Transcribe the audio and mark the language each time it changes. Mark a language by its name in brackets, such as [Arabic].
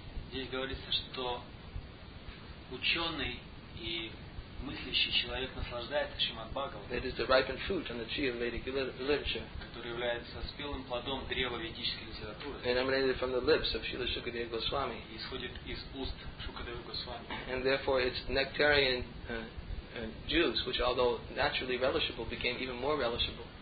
[Russian] Здесь говорится, что ученый и мыслящий человек наслаждается Шримад Бхагаватам. [English] That is the ripened fruit on the tree of Vedic literature. [Russian] Который является спелым плодом древа ведической литературы. [English] Emanated from the lips of Srila Shukadeva Goswami. [Russian] Исходит из уст Шукадевы Госвами. [English] And therefore it's nectarian juice, which although naturally relishable, became even more relishable.